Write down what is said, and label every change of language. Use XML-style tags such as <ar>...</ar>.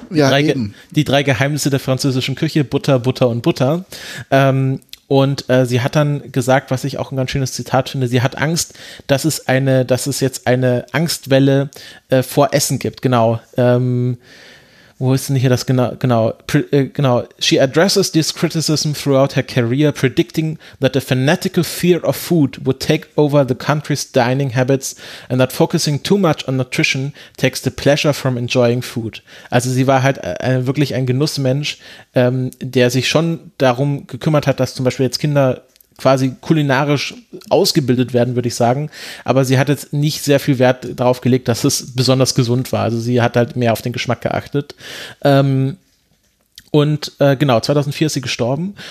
<de>Ja, die 3 Geheimnisse der französischen Küche, Butter, Butter und Butter. Und sie hat dann gesagt, was ich auch ein ganz schönes Zitat finde, sie hat Angst, dass es jetzt eine Angstwelle vor Essen gibt. Genau. Wo ist denn hier das genau?</de> <en>She addresses this criticism throughout her career, predicting that a fanatical fear of food would take over the country's dining habits and that focusing too much on nutrition takes the pleasure from enjoying food.</en> <de>Also sie war halt wirklich ein Genussmensch, der sich schon darum gekümmert hat, dass zum Beispiel jetzt Kinder quasi kulinarisch ausgebildet werden, würde ich sagen. Aber sie hat jetzt nicht sehr viel Wert darauf gelegt, dass es besonders gesund war. Also sie hat halt mehr auf den Geschmack geachtet. Und genau, 2004 ist sie gestorben.</de>